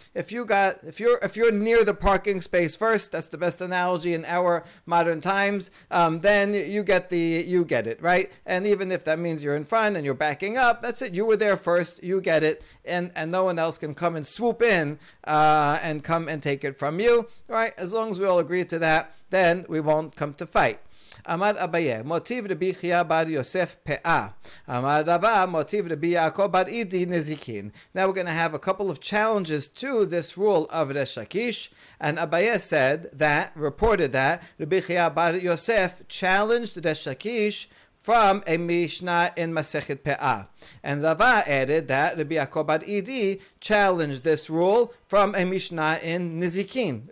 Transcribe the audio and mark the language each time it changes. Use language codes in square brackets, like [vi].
[en] If you're near the parking space first, that's the best analogy in our modern times, then you get it, right? And even if that means you're in front and you're backing up, that's it. You were there first. You get it. And no one else can come and swoop in and come and take it from you, right? As long as we all agree to that, then we won't come to fight. [arc] אמר אביי, מוטיב רבי חייא בר יוסף פאה. אמר רבא, מוטיב רבי יעקב בר אידי נזיקין. [en] Now we're going to have a couple of challenges to this rule of Resh Lakish. And Abaye said that, reported that, Rabbi Chiya bar Yosef challenged Resh Lakish from a Mishnah in Masechet Pe'ah. And Rava added that Rabbi Yaakov bar Idi challenged this rule from a Mishnah in Nizikin.